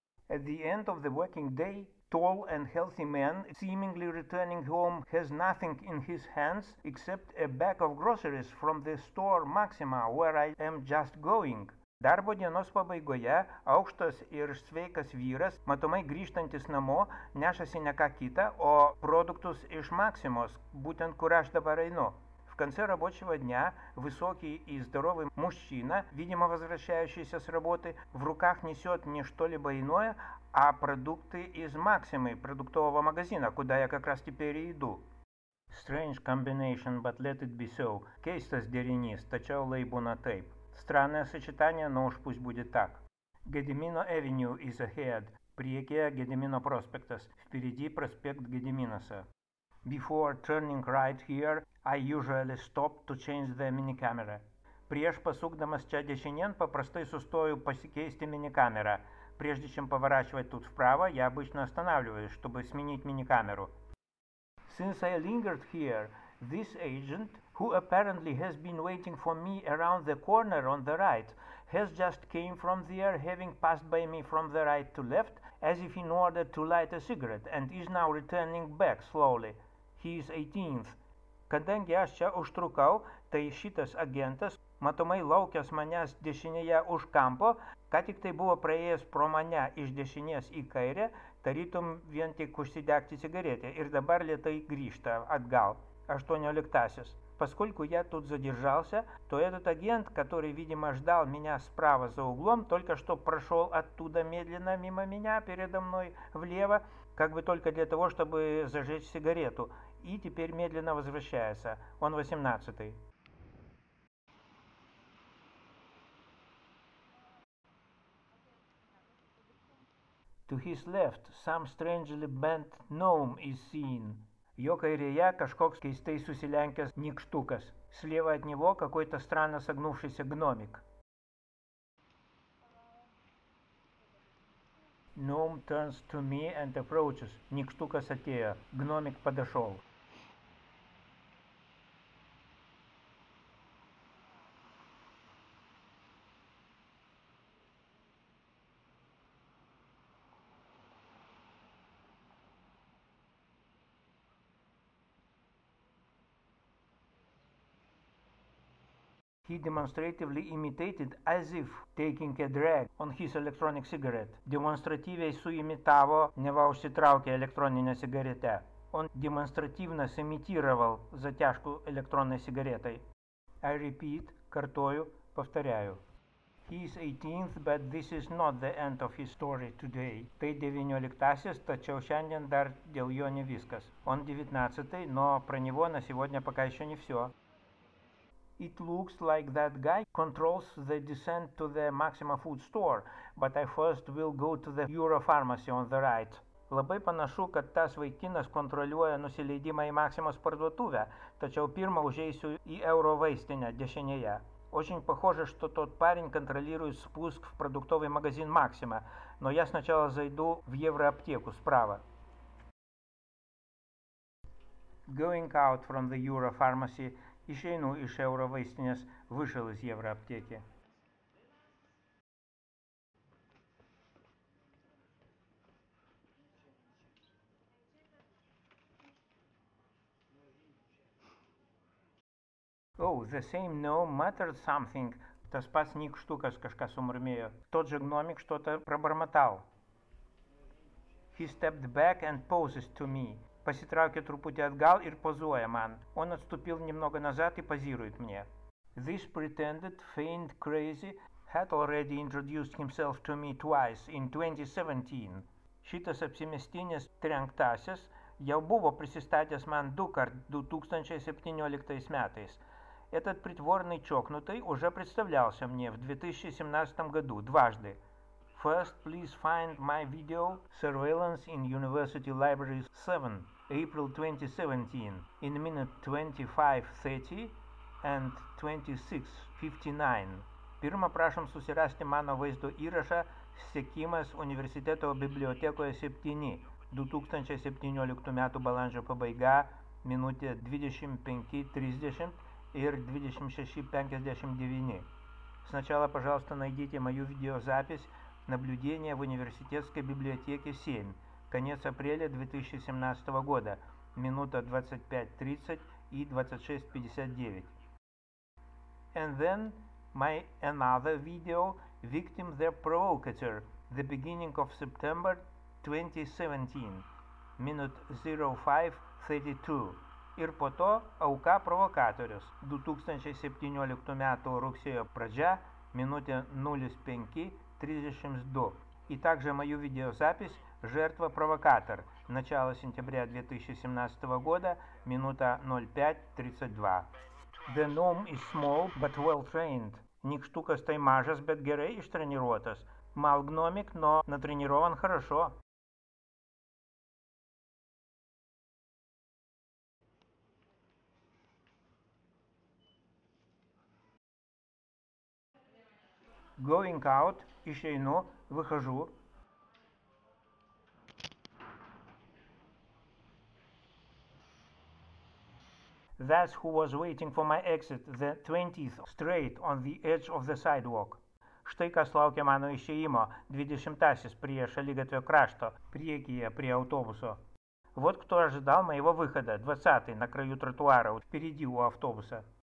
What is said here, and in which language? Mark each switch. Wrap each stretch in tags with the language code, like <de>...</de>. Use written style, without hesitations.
<en>At the end of the working day, tall and healthy man, seemingly returning home, has nothing in his hands except a bag of groceries from the store Maxima, where I am just going.</en> <lt>Darbo dienos pabaigoje, aukštas ir sveikas vyras, matomai grįžtantis namo, nešasi ne ką kitą, o produktus iš Maximos, būtent kur aš dabar einu.</lt> <ru>В конце рабочего дня высокий и здоровый мужчина, видимо возвращающийся с работы, в руках несет не что-либо иное, а продукты из Максимы, продуктового магазина, куда я как раз теперь и иду.</ru> <en>Strange combination, but let it be so.</en> <lt>Keistas derinys, tačiau lai būna taip.</lt> <ru>Странное сочетание, но уж пусть будет так.</ru> <en>Gedimino Avenue is ahead.</en> <lt>Priekyje Gedimino prospektas.</lt> <ru>Впереди проспект Гедиминоса.</ru> <en>Before turning right here, I usually stop to change the mini-camera.</en> <lt>Prieš pasukdamas čia dešinien, paprastai sustoju pasikeisti mini-камеру.</lt> <ru>Прежде чем поворачивать тут вправо, я обычно останавливаюсь, чтобы сменить мини-камеру.</ru> <en>Since I lingered here, this agent, who apparently has been waiting for me around the corner on the right, has just came from there, having passed by me from the right to left, as if in order to light a cigarette, and is now returning back slowly. He is 18th.</en> <lt>Kadangi aš čia užtrukau, tai šitas agentas, matomai laukęs manęs dešinėje už kampo, ką tik tai buvo praėjęs pro mane iš dešinės į kairę, tarytum vien tik užsidegti cigaretę, ir dabar lietai grįžta atgal. 18-asis.</lt> <ru>Поскольку я тут задержался, то этот агент, который, видимо, ждал меня справа за углом, только что прошел оттуда медленно мимо меня, передо мной, влево, как бы только для того, чтобы зажечь сигарету. И теперь медленно возвращается. Он 18-й.</ru> <en>To his left, some strangely bent gnome is seen.</en> <lt>Jo kairėje kažkoks keistai susilenkęs nykštukas.</lt> <ru>Slėva от него какой-то странно согнувшийся гномик.</ru> <en>Gnome turns to me and approaches.</en> <lt>Nykštukas atėjo.</lt> <ru>Гномик подошел.</ru> <en>He demonstratively imitated as if taking a drag on his electronic cigarette.</en> <ru>Демонстративно суимитаво, нева усетравке электронной сигарете. Он демонстративно симитировал затяжку электронной сигаретой.</ru> <en>I repeat,</en> <ru>картою, повторяю.</ru> <en>He is 18th, but this is not the end of his story today.</en> <lt>Tai 19-asis, tačiau šiandien dar dėl jo ne viskas.</lt> <ru>Он 19-ai, но про него на сегодня пока еще не все.</ru> <en>It looks like that guy controls the descent to the Maxima food store, but I first will go to the Euro pharmacy on the right.</en> <lt>Labai panašu, kad tas vaikinas kontroliuoja nusileidimą į Maximos parduotuvę, tačiau pirmą užeisiu į Euro vaistinę dešinėje.</lt> <ru>Очень похоже, что тот парень контролирует спуск в продуктовый магазин Максима, но я сначала зайду в евроаптеку справа.</ru> <en>Going out from the Euro pharmacy,</en> <lt>išeinu iš Euro vaistinės,</lt> <ru>вышел из евроаптеки.</ru> <en>Oh, the same gnome muttered something.</en> <lt>Tas pats nyk štukas kažką sumurmėjo.</lt> <ru>Тот же гномик что-то пробормотал.</ru> <en>He stepped back and poses to me.</en> <lt>Pasitraukė truputį atgal ir pozuoja man.</lt> <ru>Он отступил немного назад и позирует мне.</ru> <en>This pretended, feigned, crazy had already introduced himself to me twice in 2017.</en> <lt>Šitas apsimestinis trenktasis jau buvo prisistatęs man du kart 2017 metais.</lt> <ru>Этот притворный чокнутый уже представлялся мне в 2017 году дважды.</ru> <en>First, please find my video Surveillance in University Library 7, April 2017, in minute 25:30 and 26:59.</en> <lt>Pirma prašom susirasti mano vaizdo įrašą Sekimas Universiteto bibliotekoje 7, 2017 metų balandžio pabaiga, minutė 25:30. Ir 26:59.</lt> <ru>Сначала, пожалуйста, найдите мою видеозапись наблюдения в университетской библиотеке 7, конец апреля 2017 года, минута 25:30 и 26:59.</ru> <en>And then my another video, Victim the Provocateur, the beginning of September 2017, minute 05:32.</en> <lt>Ir po to auka provokatorius 2017 metų rugsėjo pradžia, minutė 05:32.</lt> <ru>И также мою видеозапись «Жертва провокатор» начало сентября 2017 года, минута 05:32.</ru> <en>The gnome is small, but well-trained.</en> <lt>Nik štukas tai mažas, bet gerai ištreniruotas.</lt> <ru>Мал гномик, но натренирован хорошо.</ru> <en>Going out,</en> <lt>išeinu,</lt> <ru>выхожу.</ru> <en>That's who was waiting for my exit, the 20th, straight on the edge of the sidewalk.</en> <lt>Štai kas laukia mano išėjimo, 20-asis prie šaligatvio krašto, priekyje prie autobuso.</lt> <ru>Вот кто ожидал моего выхода, 20-й, на краю тротуара, впереди у автобуса.</ru>